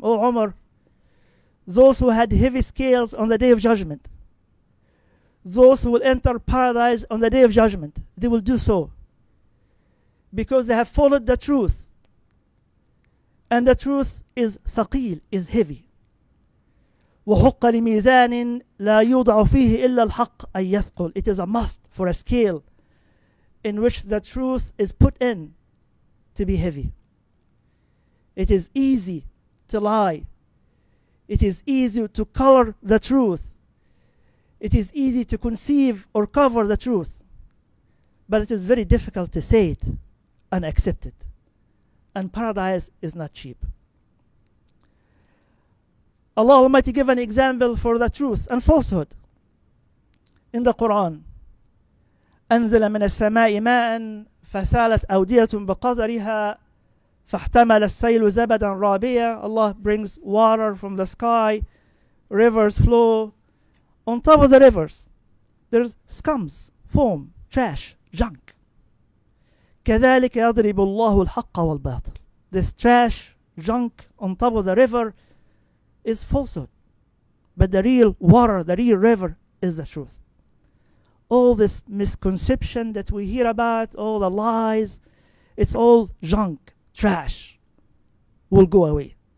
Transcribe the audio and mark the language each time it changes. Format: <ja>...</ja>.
<en>Oh Umar, those who had heavy scales on the Day of Judgment, those who will enter paradise on the Day of Judgment, they will do so because they have followed the truth, and the truth is ثقيل, is heavy.</en> <ar>وحق لميزان لا يوضع فيه إلا الحق أن يثقل.</ar> <en>It is a must for a scale in which the truth is put in to be heavy. It is easy to lie. It is easy to color the truth. It is easy to conceive or cover the truth. But it is very difficult to say it and accept it. And paradise is not cheap. Allah Almighty gave an example for the truth and falsehood in the Quran.</en> <ar>أنزل من السماء ماء فسالت أودية بقدرها فاحتمل السيل زبدا رابيا.</ar> <en>Allah brings water from the sky, rivers flow. On top of the rivers, there's scums, foam, trash, junk.</en> <ar>كذلك يضرب الله الحق والباطل.</ar> <en>This trash, junk on top of the river is falsehood. But the real water, the real river, is the truth. All this misconception that we hear about, all the lies, it's all junk, trash, will go away.</en>